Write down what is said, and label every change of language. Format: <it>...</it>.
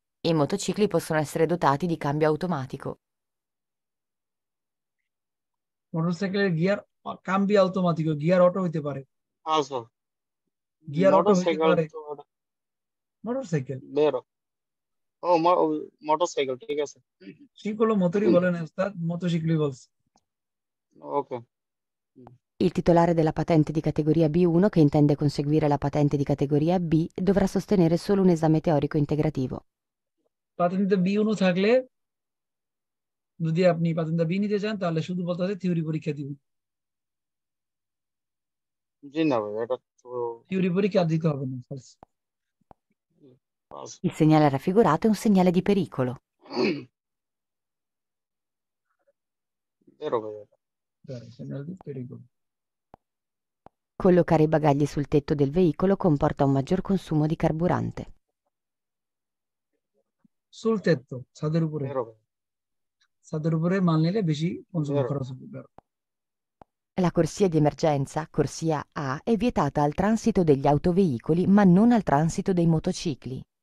<it>I motocicli possono essere dotati di cambio automatico.</it> <bn>মোটরসাইকেলের gear Kambi automatic, gear auto হইতে পারে, আচ্ছা গিয়ার অটো হইতে মোটরসাইকেল পারে, মোটরসাইকেল বেরো, ও মোটরসাইকেল, ঠিক আছে, সিকলো মোটরই বলেন ওস্তাদ, মোটরসাইকেলই বলস, ওকে।</bn> <it>Il titolare della patente di categoria B1 che intende conseguire la patente di categoria B dovrà sostenere solo un esame teorico integrativo.</it> <bn>Patente B1 থাকলে যদি আপনি পাতেন্টা বি নিতে চান তাহলে শুধু বলতে হবে থিওরি পরীক্ষা দিবেন, জি না ভাই, এটা তো থিওরি পরীক্ষা দিতে হবে না।</bn> <it>Il segnale raffigurato è un segnale di pericolo. Vero vero. Segnale di pericolo. Collocare i bagagli sul tetto del veicolo comporta un maggior consumo di carburante. Sul tetto,</it> <bn>ছাদের উপরে,</bn> <it>vero vero.</it> <bn>ছাদের উপরে মাল নিলে বেশি কনসুম খরচ হবে।</bn> <it>La corsia di emergenza, corsia A, è vietata al transito degli autoveicoli, ma non al transito dei motocicli.</it>